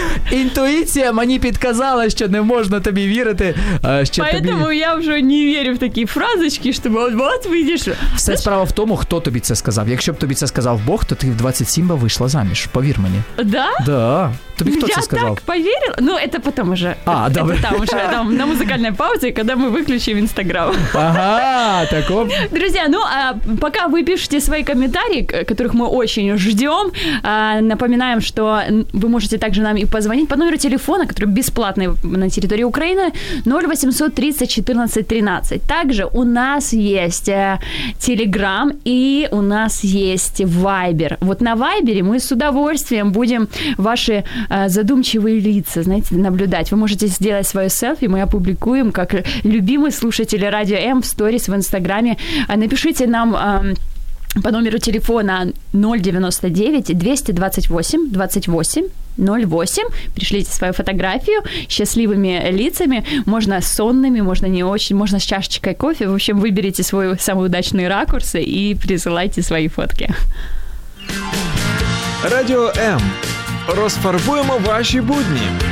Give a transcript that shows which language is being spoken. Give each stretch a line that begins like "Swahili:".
Ukrainian: Інтуїція мені підказала, що не можна тобі вірити. Що
Russian: Поэтому
Ukrainian: тобі... я вже не вірю в такі фразочки, що от вийдеш. Все справа в тому, хто тобі це сказав. Якщо б тобі це сказав Бог, то ти в 27 би вийшла заміж, повір мені.
Russian: Да?
Ukrainian: Да. Тобі хто це сказав? Я так повірила? Ну, це потім вже. А, добре. Це там вже, там, на музикальній паузі, коли ми виключимо Instagram.
Russian: Инстаграм. Ага, таков. Друзья, ну, а пока вы пишете свои комментарии, которых мы очень ждем, напоминаем, что вы можете также нам и позвонить по номеру телефона, который бесплатный на территории Украины, 0800 30 14 13. Также у нас есть Телеграм и у нас есть Вайбер. Вот на Вайбере мы с удовольствием будем ваши задумчивые лица, знаете, наблюдать. Вы можете сделать свое селфи, мы опубликуем, как любимый слушатель Радио М в сторис в Инстаграме. Напишите нам по номеру телефона 099-228-28-08. Пришлите свою фотографию счастливыми лицами. Можно сонными, можно не очень, можно с чашечкой кофе. В общем, выберите свой самый удачный ракурс и присылайте свои фотки.
Ukrainian: Радіо М. Розфарбуємо ваші будні.